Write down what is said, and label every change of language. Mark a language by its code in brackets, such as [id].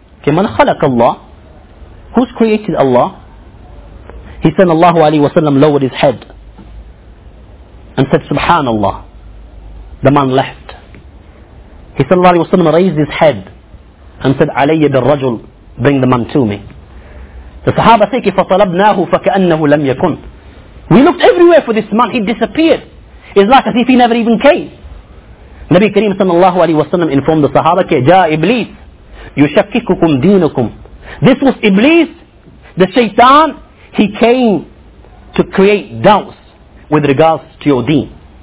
[en] Okay, [ar] man khalaqa Allah, [en] who's created Allah? He sallallahu alayhi wa sallam lowered his head and said, Subhanallah. The man left. He sallallahu alayhi wa sallam raised his head and said, [ar] Alayya bil rajul, [en] bring the man to me. The Sahaba said, [ar] فَطَلَبْنَاهُ فَكَأَنَّهُ لَمْ يَكُنْ. [en] We looked everywhere for this man. He disappeared. It's like as if he never even came. Nabi Kareem sallallahu alayhi wa sallam informed the Sahaba, [ar] جَاءَ [en] Iblis, [ar] يُشَكِّكُكُمْ دِينُكُمْ. [en] This was Iblis, the shaitan. He came to create doubts with regards to your deen.